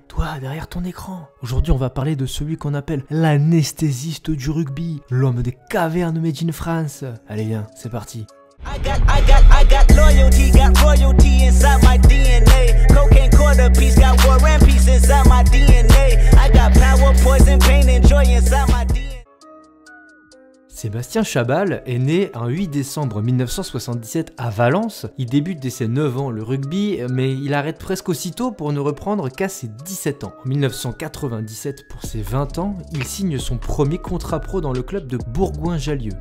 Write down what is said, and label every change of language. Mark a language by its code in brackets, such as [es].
[fr] là-bas, derrière ton écran. Aujourd'hui, on va parler de celui qu'on appelle l'anesthésiste du rugby, l'homme des cavernes Made in France. Allez, viens, c'est parti. [en] I got loyalty, got royalty inside my DNA. Cocaine quarter piece, got war and peace inside my DNA. I got power, poison, pain and joy inside my DNA. [fr] Sébastien Chabal est né un 8 décembre 1977 à Valence. Il débute dès ses 9 ans le rugby, mais il arrête presque aussitôt pour ne reprendre qu'à ses 17 ans. En 1997, pour ses 20 ans, il signe son premier contrat pro dans le club de Bourgoin-Jallieu.